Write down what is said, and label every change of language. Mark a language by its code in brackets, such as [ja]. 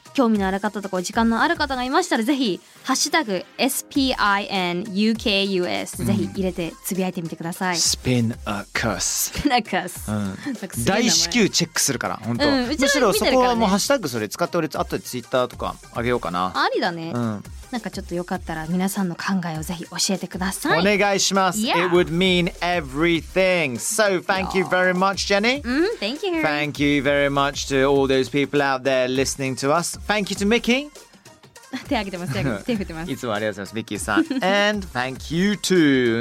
[ja] 興味のある方とか時間のある方がいましたらぜひハッシュタグ SPINUKUS、うん、ぜひ入れてつぶやいてみてください。 Spin a curse、 Spin a curse、うん、大至急チェックするから本当、うん、むしろそこはもうハッシュタグそれ使って俺後でツイッターとかあげようかな。ありだね、うん、なんかちょっとよかったら皆さんの考えをぜひ教えてください。お願いします、 [en] yeah. It would mean everything. So thank you very much, Jenny、うん、Thank you、Harry. Thank you very much to all those people out there listening to us. Thank you to Mickey. [ja] 手挙げてます、手振ってますいつもありがとうございます、Mickey さん [en] And thank you too.